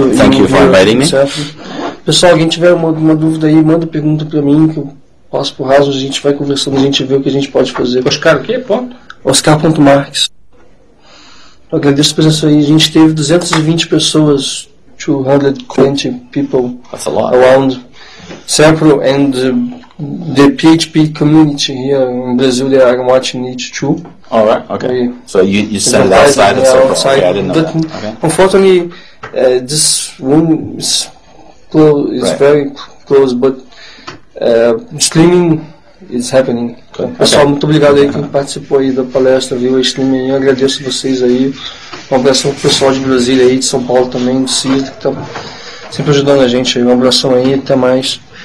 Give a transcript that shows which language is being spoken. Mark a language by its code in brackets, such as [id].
[en] Thank you for inviting me. Certo. [pt] Pessoal, alguém tiver uma dúvida aí, manda pergunta para mim, que eu passo para o Rasmus. A gente vai conversando, a gente vê o que a gente pode fazer. Oscar o quê? Ponto. Oscar.Marques. Eu agradeço a presença aí. A gente teve 220 pessoas... [en] 220 people. That's a lot. Around Serpro and the PHP community here in Brazil, they are watching it too. All right, okay. So you said it outside of Serpro. Okay, I didn't know that. Okay. Unfortunately, this room is very close, but streaming is happening. Good. [pt] Pessoal, okay. Muito obrigado aí quem participou aí da palestra, viu o streaming. Eu agradeço vocês aí. Um abração pro pessoal de Brasília aí, de São Paulo também, do CISL, que tá sempre ajudando a gente aí. Um abração aí, até mais.